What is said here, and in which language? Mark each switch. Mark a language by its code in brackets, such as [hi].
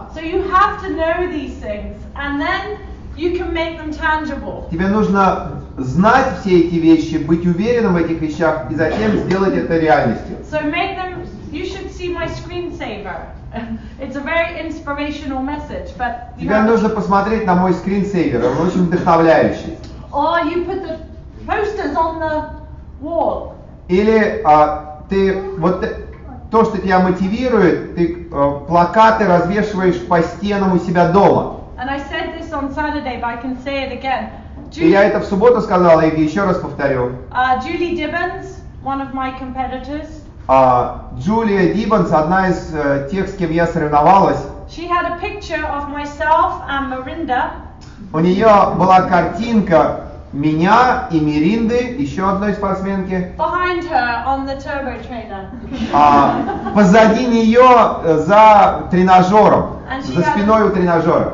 [en] So you have to know these things, and then you can make them tangible. [ru] Тебе нужно знать все эти вещи, быть уверенным в этих вещах и затем сделать это реальностью. [en] So make them. You should see my screensaver. It's a very inspirational message, but [ru] тебе нужно посмотреть на мой скринсейвер. Он очень вдохновляющий. [en] Or you put the posters on the wall. [ru] Или ты вот то, что тебя мотивирует, ты плакаты развешиваешь по стенам у себя дома. [en] And I said this on Saturday, but I can say it again. [ru] И я это в субботу сказал, и еще раз повторю. [en] Julie Dibbons, one of my competitors. [ru] Джулия Диббонс, одна из тех, с кем я соревновалась. [en] She had a picture of myself and Mirinda. [ru] У нее была картинка меня и Миринды, еще одной спортсменки. [en] Behind her on the turbo trainer. [ru] Позади нее за тренажером, за спиной у тренажера.